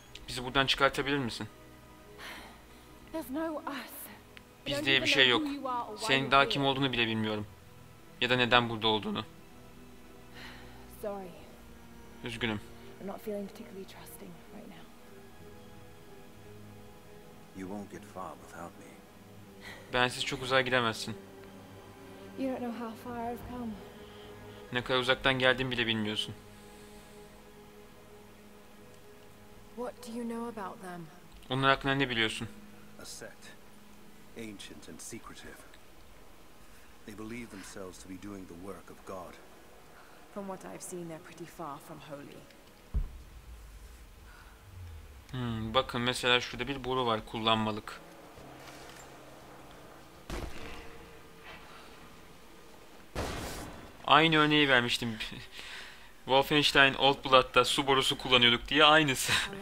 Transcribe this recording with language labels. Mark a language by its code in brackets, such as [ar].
[tr] Bizi buradan çıkartabilir misin? [en] There's no us. [tr] Biz diye bir şey yok. Senin daha kim olduğunu bile bilmiyorum. Ya da neden burada olduğunu. [en] Sorry. [tr] Üzgünüm. [en] I'm not feeling particularly trusting right now. You won't get far without me. [tr] Bensiz çok uzağa gidemezsin. [en] You don't know how far I've come. [tr] Ne kadar uzaktan geldiğimi bile bilmiyorsun. [en] What do you know about them? [tr] Onlar hakkında ne biliyorsun? [en] A sect, ancient and secretive. They believe themselves to be doing the work of God. From what I've seen, they're pretty far from holy. [tr] Bakın mesela şurada bir boru var, kullanmalık. Aynı örneği vermiştim. Wolfenstein Old Blood'da su borusu kullanıyorduk diye aynısı.